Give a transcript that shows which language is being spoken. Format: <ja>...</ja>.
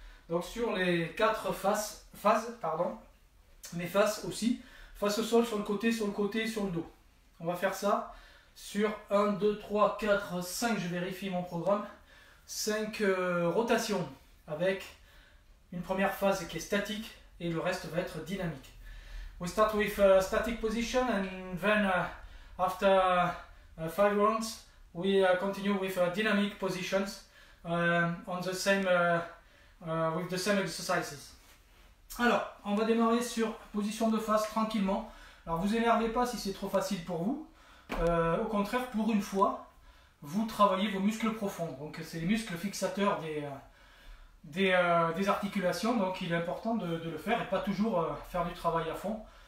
<fr>Donc sur les quatre phases, mes faces aussi, face au sol, sur le côté, sur le dos. On va faire ça sur 1, 2, 3, 4, 5, je vérifie mon programme, 5 rotations avec... Une première phase qui est statique et le reste va être dynamique.</fr> <en>We start with a static position and then after 5 rounds we continue with dynamic positions on the same with the same exercises.</en> <fr>Alors, on va démarrer sur position de face tranquillement. Alors, vous énervez pas si c'est trop facile pour vous. Au contraire, pour une fois, vous travaillez vos muscles profonds. Donc, c'est les muscles fixateurs des articulations, donc il est important de le faire et pas toujours faire du travail à fond.</fr>